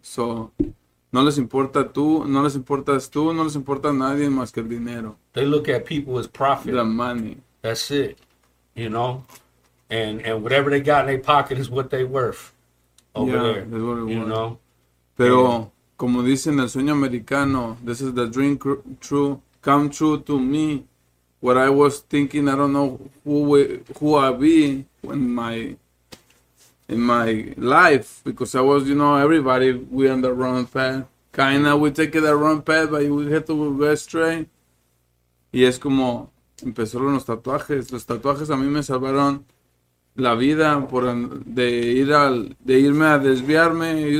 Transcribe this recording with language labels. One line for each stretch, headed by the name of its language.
Spanish: So, no les importa tú, no les importas tú, no les importa nadie más que el dinero.
English: They look at people as profit. The money. That's it. You know? And whatever they got in their pocket is what they worth over yeah, there. That's what you want. Know?
Spanish: Pero,
English: yeah.
Spanish: Como dicen, el sueño americano,
English: this is the dream true, come true to me. What I was thinking, I don't know who I be in my life, because I was, you know, everybody, we on the wrong path. Kind of, we taking the wrong path, but we had to go straight.
Spanish: Y es como, empezó los tatuajes. Los tatuajes a mí me salvaron la vida por de irme a desviarme.